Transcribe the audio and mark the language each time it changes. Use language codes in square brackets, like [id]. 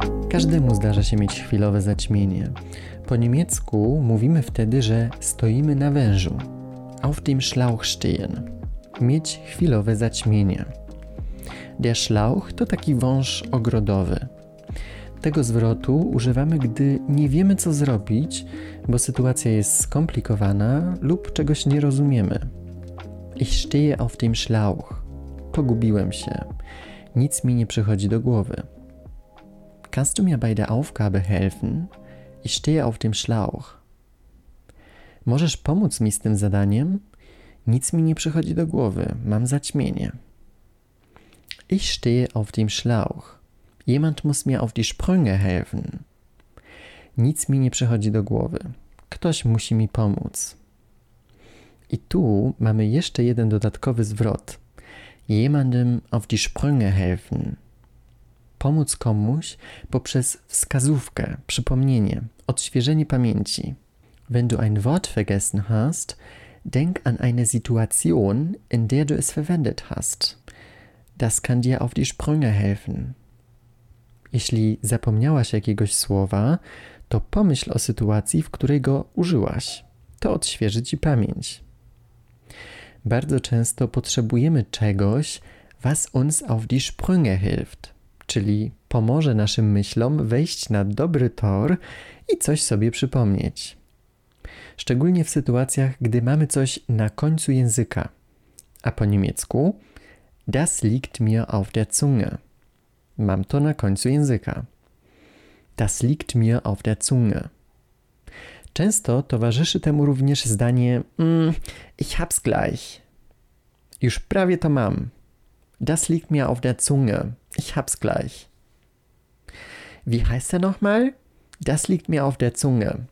[pl] Każdemu zdarza się mieć chwilowe zaćmienie. Po niemiecku mówimy wtedy, że stoimy na wężu. [de] Auf dem Schlauch stehen. [pl] Mieć chwilowe zaćmienie. Der Schlauch to taki wąż ogrodowy. Tego zwrotu używamy, gdy nie wiemy, co zrobić, bo sytuacja jest skomplikowana lub czegoś nie rozumiemy. [de] Ich stehe auf dem Schlauch. [pl] Pogubiłem się. Nic mi nie przychodzi do głowy. [de] Kannst du mir bei der Aufgabe helfen? Ich stehe auf dem Schlauch. [pl] Możesz pomóc mi z tym zadaniem? Nic mi nie przychodzi do głowy. Mam zaćmienie. [de] Ich stehe auf dem Schlauch. Jemand muss mir auf die Sprünge helfen. [pl] Nic mi nie przychodzi do głowy. Ktoś musi mi pomóc. I tu mamy jeszcze jeden dodatkowy zwrot. [de] Jemandem auf die Sprünge helfen. [pl] Pomóc komuś poprzez wskazówkę, przypomnienie, odświeżenie pamięci. [de] Wenn du ein Wort vergessen hast, denk an eine Situation, in der du es verwendet hast. Das kann dir auf die Sprünge helfen. [pl] Jeśli zapomniałaś jakiegoś słowa, to pomyśl o sytuacji, w której go użyłaś. To odświeży ci pamięć. Bardzo często potrzebujemy czegoś, [de] was uns auf die Sprünge hilft, [pl] czyli pomoże naszym myślom wejść na dobry tor i coś sobie przypomnieć. Szczególnie w sytuacjach, gdy mamy coś na końcu języka. A po niemiecku? [de] Das liegt mir auf der Zunge. [pl] Mam to na końcu języka. [de] Das liegt mir auf der Zunge. [pl] Często towarzyszy temu również zdanie [de] ich hab's gleich. [pl] Już prawie to mam. [de] Das liegt mir auf der Zunge. Ich hab's gleich. Wie heißt er nochmal? Das liegt mir auf der Zunge.